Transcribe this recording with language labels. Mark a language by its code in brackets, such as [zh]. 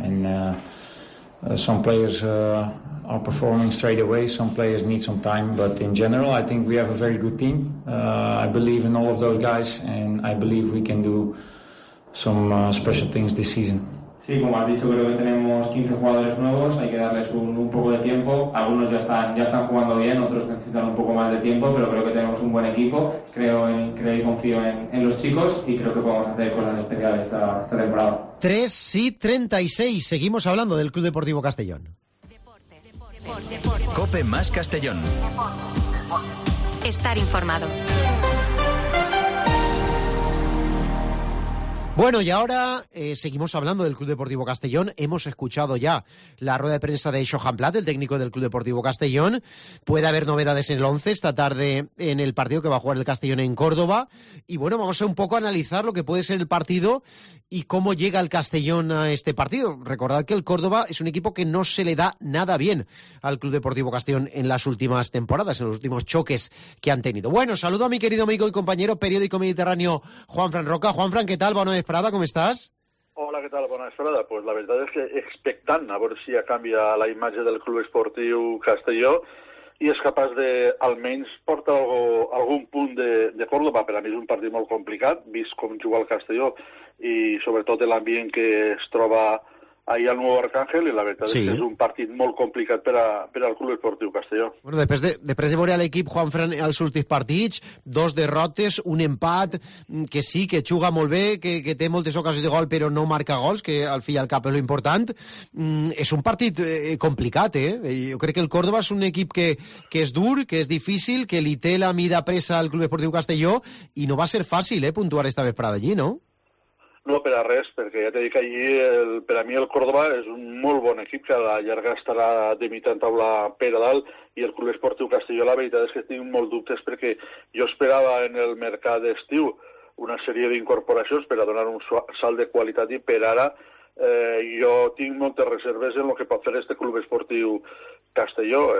[en] And some players are performing straight away, some players need some time, but in general I think we have a very good team. I believe in all of those guys and I believe we can do some special things this season. [es] Sí, como has dicho, creo que tenemos 15 jugadores nuevos, hay que darles un poco de tiempo. Algunos ya están jugando bien, otros necesitan un poco más de tiempo, pero creo que tenemos un buen equipo. Creo y confío en los chicos y creo que podemos hacer cosas especiales esta temporada. 3:36, seguimos hablando del Club Deportivo Castellón. Deporte. COPE más Castellón. Deporte. Estar informado. Bueno, y ahora seguimos hablando del Club Deportivo Castellón. Hemos escuchado ya la rueda de prensa de Shohan Plat, el técnico del Club Deportivo Castellón. Puede haber novedades en el once esta tarde en el partido que va a jugar el Castellón en Córdoba. Y bueno, vamos a un poco a analizar lo que puede ser el partido y cómo llega el Castellón a este partido. Recordad que el Córdoba es un equipo que no se le da nada bien al Club Deportivo Castellón en las últimas temporadas, en los últimos choques que han tenido. Bueno, saludo a mi querido amigo y compañero periódico mediterráneo Juanfran Roca. Juanfran, ¿qué tal? Bueno, Esperada, ¿cómo estás? Hola, ¿qué tal? Bona Esperada. [ca] Pues la verdad es que expectant a veure si canvia la imatge del Club Esportiu Castelló i és capaç de, almenys, portar algun punt de Córdoba. Per a mi és un partit molt complicat, vist com juga el Castelló i sobretot l'ambient que es troba ahí al Nuevo Arcángel, [es] y la verdad sí. Es que es un partido muy complicado para el Club Esportivo Castelló. Bueno, después de ver al equipo, Juanfran, al últimos partidos, dos derrotes, un empate, que sí, que juega muy bien, que tiene muchas ocasiones de gol, pero no marca gols, que al fin y al cabo es lo importante. Es un partido complicado, Yo creo que el Córdoba es un equipo que es duro, que es difícil, que le [ca] té la mida presa [es] al Club Esportivo Castelló, y no va a ser fácil puntuar esta vez para allí, ¿no? [ca] No per a res, perquè ja t'he dit que allí per a mi el Córdoba és un molt bon equip que a la llarga estarà de mitja taula per a dalt, i el Club Esportiu Castelló la veritat és que tinc molt dubtes perquè jo esperava en el mercat d'estiu una sèrie d'incorporacions per a donar un salt de qualitat i per ara jo tinc moltes reserves en el que pot fer este Club Esportiu Castelló.